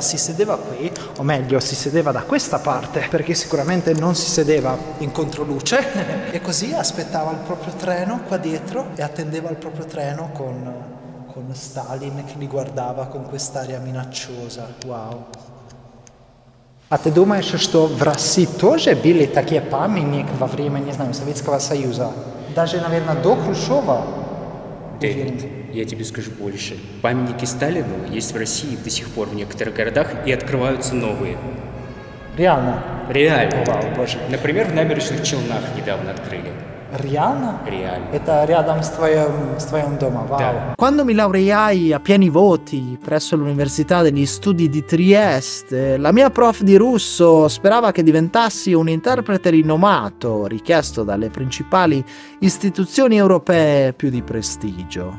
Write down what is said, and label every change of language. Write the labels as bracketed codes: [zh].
[it] Si sedeva qui, o meglio, si sedeva da questa parte, perché sicuramente non si sedeva in controluce, e così aspettava il proprio treno qua dietro e attendeva il proprio treno con Stalin che li guardava con quest'aria minacciosa. Wow. [ru] А ты думаешь, что в России тоже были такие памятники во время, не знаю, Советского Союза? Даже, наверное, до Хрущева? Дэвид, я тебе скажу больше. Памятники Сталину есть в России до сих пор в некоторых городах и открываются новые. Реально? Реально. Вау, боже. Например, в набережных Челнах недавно открыли. Реально? Реально. Это рядом с твоим домом. Вау. Да. [it] Quando mi laureai a pieni voti presso l'Università degli Studi di Trieste, la mia prof di russo sperava che diventassi un interprete rinomato, richiesto dalle principali istituzioni europee più di prestigio.